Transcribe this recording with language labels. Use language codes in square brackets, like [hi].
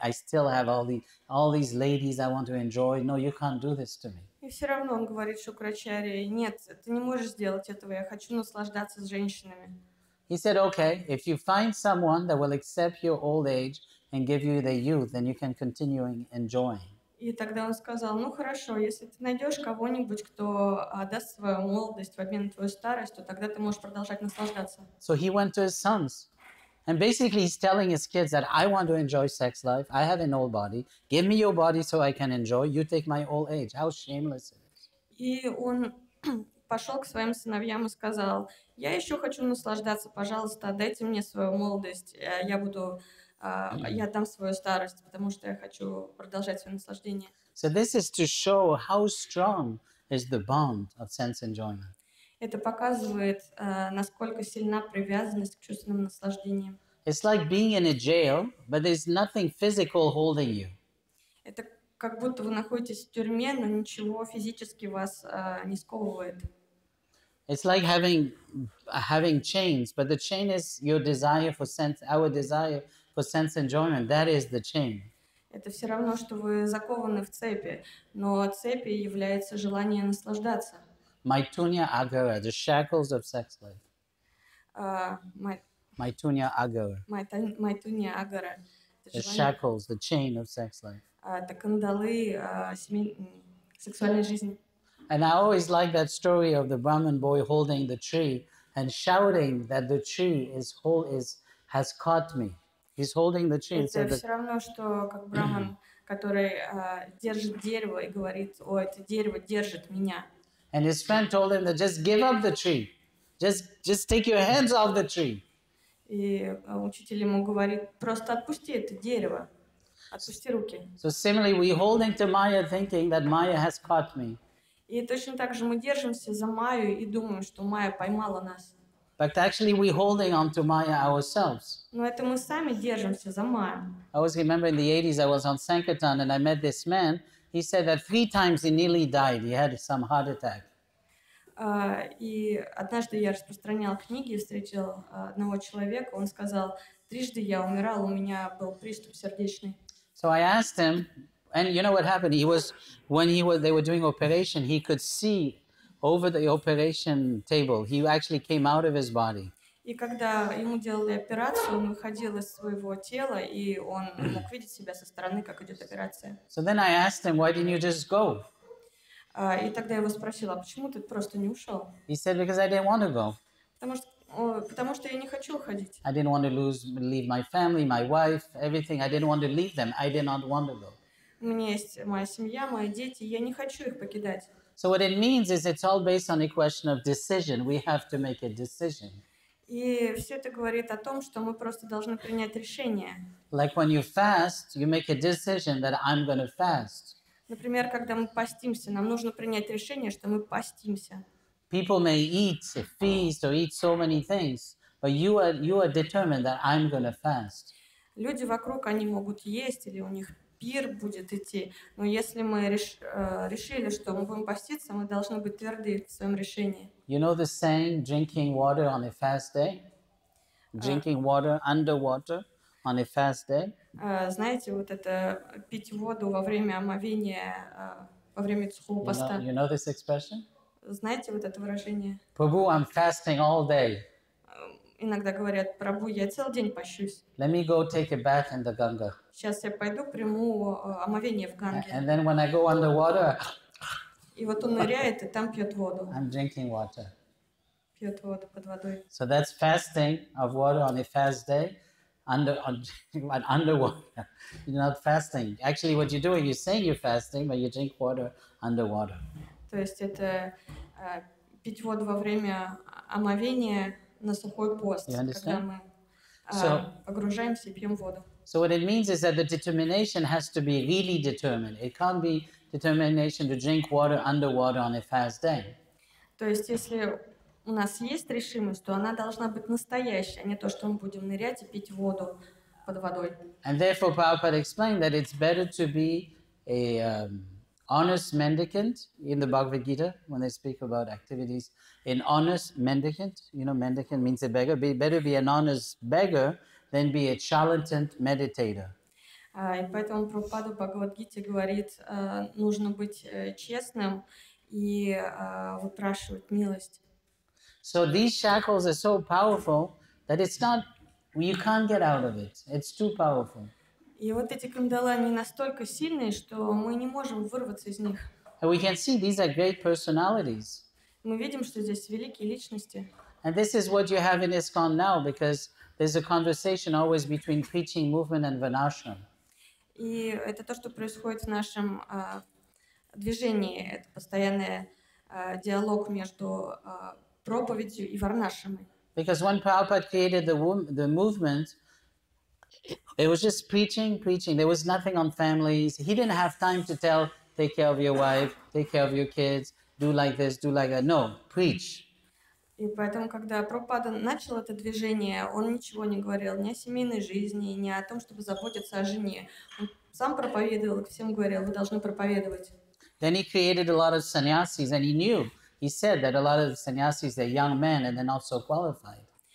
[en] I still have all these ladies I want to enjoy. No, you can't do this to me. [ru] И все равно он говорит Шукрачарье, нет, ты не можешь сделать этого, я хочу наслаждаться с женщинами. [en] He said, okay, if you find someone that will accept your old age and give you the youth, then you can continue enjoying. [ru] И тогда он сказал, ну хорошо, если ты найдешь кого-нибудь, кто даст свою молодость в обмен на твою старость, то тогда ты можешь продолжать наслаждаться. [en] So he went to his sons. And basically he's telling his kids that I want to enjoy sex life. I have an old body. Give me your body so I can enjoy. You take my old age. How shameless it is. [ru] И он пошел к своим сыновьям и сказал, я еще хочу наслаждаться, пожалуйста, дайте мне свою молодость. Я буду, я дам свою старость, потому что я хочу продолжать свое наслаждение. [en] So this is to show how strong is the bond of sense enjoyment. [ru] Это показывает, насколько сильна привязанность к чувственным наслаждениям. [en] It's like being in a jail, but there's nothing physical holding you. [ru] Это как будто вы находитесь в тюрьме, но ничего физически вас не сковывает. [en] It's like having chains, but the chain is your desire for sense, our desire for sense enjoyment. That is the chain. [ru] Это все равно, что вы закованы в цепи, но цепи является желание наслаждаться. [en] Maitunya Agara, the shackles of sex life. Maitunya Agara. Maitunya Agara. The shackles, the chain of sex life. [ru] Это кандалы сексуальной жизни. [en] And I always like that story of the Brahmin boy holding the tree and shouting that the tree is whole is has caught me. He's holding the tree. [ru] Это все равно, что как Брахман, который держит дерево и говорит, о, это дерево держит меня. [en] And his friend told him to just give up the tree. Just take your hands off the tree. [ru] И учитель ему говорит, просто отпусти это дерево. Отпусти руки. [en] So similarly, we hold into Maya thinking that Maya has caught me. [ru] И точно так же мы держимся за Майю и думаем, что Майя поймала нас. [en] But actually, we holding on to Maya ourselves. [ru] Но это мы сами держимся за Майю. [en] I was remembering the 80s, I was on Sankirtan and I met this man. He said that three times he nearly died. He had some heart attack. [ru] И однажды я распространял книги и встретил одного человека. Он сказал, трижды я умирал, у меня был приступ сердечный. [en] So I asked him, and you know what happened? They were doing operation, he could see over the operation table. He actually came out of his body. [ru] И когда ему делали операцию, он выходил из своего тела, и он мог видеть себя со стороны, как идет операция. [en] So then I asked him, why didn't you just go? [ru] И тогда я его спросила, а почему ты просто не ушел? [en] He said, because I didn't want to go. [ru] Потому что я не хочу уходить. [en] I didn't want to leave my family, my wife, everything. I didn't want to leave them. I did not want to go. [ru] У меня есть моя семья, мои дети, я не хочу их покидать. [en] So what it means is it's all based on a question of decision. We have to make a decision. [ru] И все это говорит о том, что мы просто должны принять решение. [en] Like when you fast, you make a decision that I'm going to fast. [ru] Например, когда мы постимся, нам нужно принять решение, что мы постимся. [en] People may eat, feast, or eat so many things, but you are determined that I'm going to fast. [ru] Люди вокруг, они могут есть, или у них пир будет идти, но если мы решили, что мы будем поститься, мы должны быть тверды в своем решении. [en] You know the saying, drinking water on a fast day? Drinking water underwater on a fast day? [ru] Знаете, вот это пить воду во время омовения, во время сухого поста? [en] You know this expression? [ru] Знаете вот это выражение? [en] Prabhu, I'm fasting all day. [ru] Иногда говорят, Прабу, я целый день пощусь. [en] Let me go take a bath in the Ganga. [ru] Сейчас я пойду, приму омовение в Ганге. [en] And then when I go underwater... [ru] И вот он ныряет, и там пьет воду. [en] I'm drinking water. [ru] Пьет воду под водой. [en] So that's fasting of water on a fast day, underwater. You're not fasting. Actually, what you're doing, you're saying you're fasting, but you drink water underwater. [ru] То есть это пить воду во время омовения на сухой пост, когда мы погружаемся и пьем воду. [en] So what it means is that the determination has to be really determined. It can't be determination to drink water underwater on a fast day. [ru] То есть если у нас есть решимость, то она должна быть настоящей, а не то, что мы будем нырять и пить воду под водой. [en] And therefore Prabhupada explained that it's better to be a honest mendicant in the Bhagavad Gita, when they speak about activities, an honest mendicant, you know, mendicant means a beggar, better be an honest beggar than be a charlatan meditator. [ru] И поэтому Прабхупада в Бхагавад Гите говорит, нужно быть честным и выпрашивать милость. [en] So these shackles are so powerful that it's not, you can't get out of it. It's too powerful. [ru] И вот эти кандалы, они настолько сильные, что мы не можем вырваться из них. [en] And we can see these are great personalities. [ru] Мы видим, что здесь великие личности. [en] And this is what you have in ISKCON now, because there's a conversation always between preaching movement and Varnashram. [ru] И это то, что происходит в нашем движении. Это постоянный диалог между проповедью и Варнашрамой. [en] Because when Prabhupada created the movement, it was just preaching. There was nothing on families. He didn't have time to tell, take care of your wife, take care of your kids, do like this, do like that. No, preach. [ru] И поэтому, когда Прабхупада начал это движение, он ничего не говорил ни о семейной жизни, ни о том, чтобы заботиться о жене. Он сам проповедовал, всем говорил, вы должны проповедовать. [en] Then he created a lot of sannyasis, and he knew. He said that a lot of sannyasis, they're young men, and they're not so qualified.